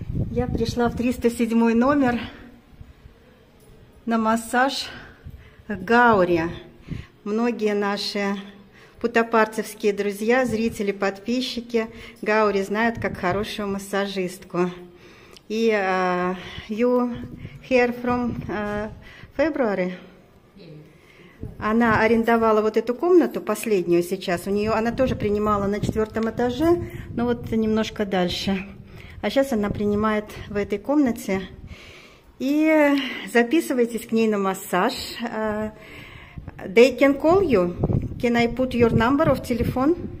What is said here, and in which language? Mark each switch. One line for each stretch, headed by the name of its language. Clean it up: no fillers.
Russian: Я пришла в 307 номер на массаж Гаурия. Многие наши путапарцевские друзья, зрители, подписчики Гаури знают как хорошую массажистку.
English: И you here from February?
Russian: Она арендовала вот эту комнату, последнюю сейчас. У нее она тоже принимала на четвертом этаже, но вот немножко дальше. А сейчас она принимает в этой комнате. И записывайтесь к ней на массаж.
English: They can call you. Can I put your number of telephone?